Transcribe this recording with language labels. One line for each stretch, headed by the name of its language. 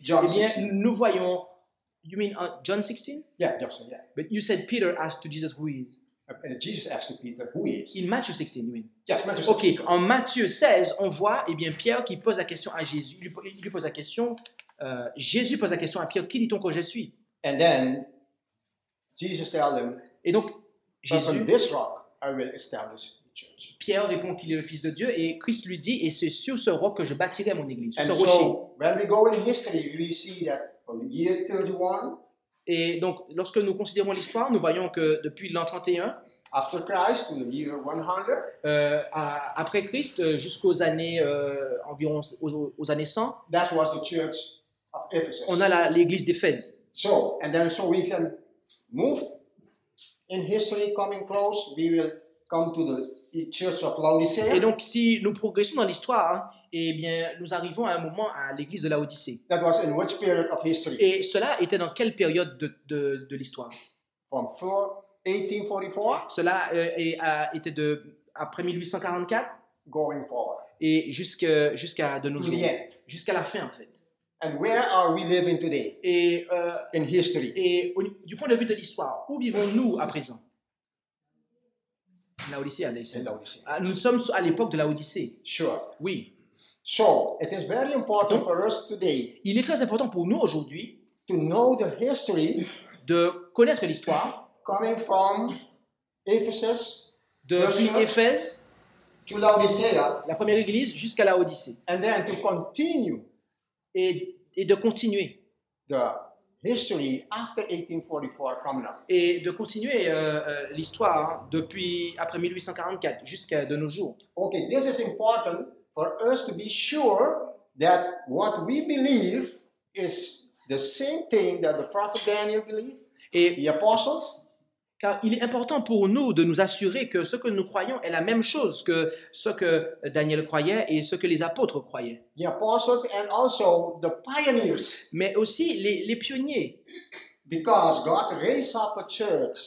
English: John
French: eh bien,
English: 16.
French: Nous voyons.
English: You mean John 16? Yeah, John, yeah. But you said Peter asked to Jesus who he is. Jesus asked to Peter who he is. In Matthew 16, you mean? Yes, Matthew 16. Okay.
French: En Matthieu 16, on voit eh bien Pierre qui pose la question à Jésus. Il lui pose la question. Jésus pose la question à Pierre. Qui dit-on que je suis?
English: And then Jesus tells him.
French: Et donc Jésus.
English: From this rock, I will establish.
French: Pierre répond qu'il est le Fils de Dieu et Christ lui dit et c'est sur ce roc que je bâtirai mon église,
English: and
French: ce rocher.
English: So, when we go in history, we see that from year 31,
French: et donc lorsque nous considérons l'histoire, nous voyons que depuis l'an 31,
English: after Christ, to the year 100,
French: après Christ jusqu'aux années environ aux années 100,
English: that was the church of Ephesus.
French: On a l'église d'Éphèse.
English: So and then so we can move in history coming close, we will come to the church of Laodicea.
French: Et donc, si nous progressons dans l'histoire, eh bien, nous arrivons à un moment à l'église de Laodicée.
English: That was in which period of history?
French: Et cela était dans quelle période de l'histoire?
English: From 1844.
French: Cela était de après 1844.
English: Going forward.
French: Et jusqu'à de nos
English: to
French: jours.
English: The end.
French: Jusqu'à la fin, en fait.
English: And where are we living today?
French: Et
English: in history.
French: Et du point de vue de l'histoire, où vivons-nous à présent? Laodicea, nous sommes à l'époque de l'Odyssée.
English: Sure.
French: Oui.
English: So, it is very important
French: donc,
English: for us today.
French: Il est très important pour nous aujourd'hui
English: to know the history
French: de connaître l'histoire
English: coming from Ephesus
French: de Éphèse
English: to Laodicea,
French: la première église jusqu'à l'Odyssée.
English: And then to continue
French: et de continuer
English: the history after 1844 coming up.
French: Et de continuer l'histoire depuis après 1844 jusqu'à de nos jours.
English: Okay, this is important for us to be sure that what we believe is the same thing that the prophet Daniel believed.
French: Et
English: the apostles.
French: Car il est important pour nous de nous assurer que ce que nous croyons est la même chose que ce que Daniel croyait et ce que les apôtres croyaient.
English: The apostles and also the pioneers.
French: Mais aussi les pionniers.
English: Because God raised up a church.